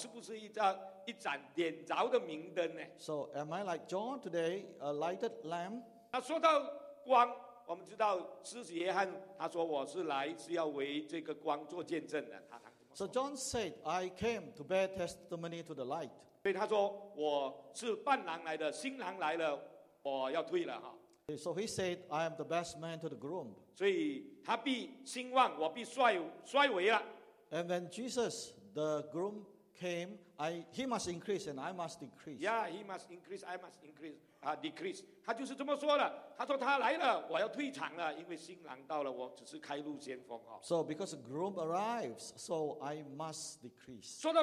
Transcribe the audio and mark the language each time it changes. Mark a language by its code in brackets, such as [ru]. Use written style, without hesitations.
[zh] 我非常激动，主啊，那我是不是一盏点着的明灯呢？ [en] So am I like John today, a lighted lamp? [zh] 那说到光。我们知道施洗约翰他说我是来是要为这个光做见证的。 [en] So John said, I came to bear testimony to the light. [zh] 所以他说我是伴郎来的，新郎来了，我要退了。 [en] So he said, I am the best man to the groom. [zh] 所以他必兴旺，我必衰微了。 [en] And when Jesus, the groom, came, he must increase and I must decrease. Yeah, he must increase, I must increase. Decrease. [zh] 他就是这么说的，他说他来了，我要退场了，因为新郎到了，我只是开路先锋。 So [en] because the groom arrives, so I must decrease.